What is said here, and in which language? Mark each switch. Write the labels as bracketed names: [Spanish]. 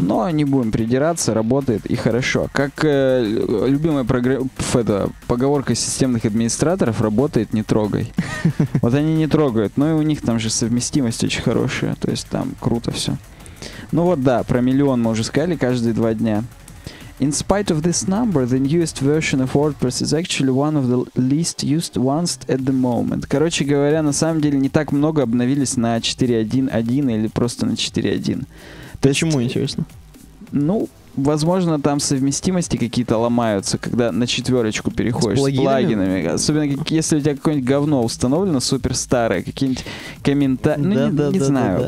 [Russian] Но не будем придираться, работает и хорошо. Как любимая поговорка системных администраторов, работает, не трогай. Вот они не трогают, но и у них там же совместимость очень хорошая, то есть там круто все. Ну вот да, про миллион мы уже сказали каждые 2 дня. [English] In spite of this number, the newest version of WordPress is actually one of the least used ones at the moment. [Russian] Короче говоря, на самом деле не так много обновились на 4.1.1 или просто на 4.1. Почему, интересно? Ну, возможно, там совместимости какие-то ломаются, когда на четверочку переходишь с плагинами. Особенно, если у тебя какое-нибудь говно установлено, суперстарое, какие-нибудь комментарии, ну, не знаю.